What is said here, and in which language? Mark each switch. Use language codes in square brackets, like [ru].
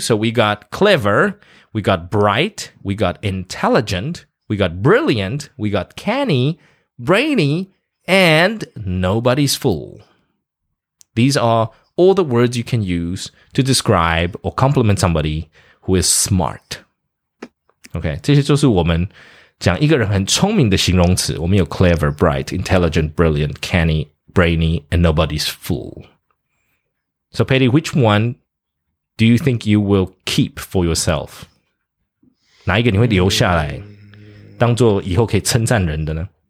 [en] So we got clever, we got bright, we got intelligent, we got brilliant, we got canny, brainy, and nobody's fool. These are all the words you can use to describe or compliment somebody who is smart. [zh] OK, 这些就是我们讲一个人很聪明的形容词。我们有 clever, bright, intelligent, brilliant, canny, brainy, and nobody's fool. [en] So, Patty, which one do you think you will keep for yourself? [zh] 哪一个你会留下来当做以后可以称赞人的呢？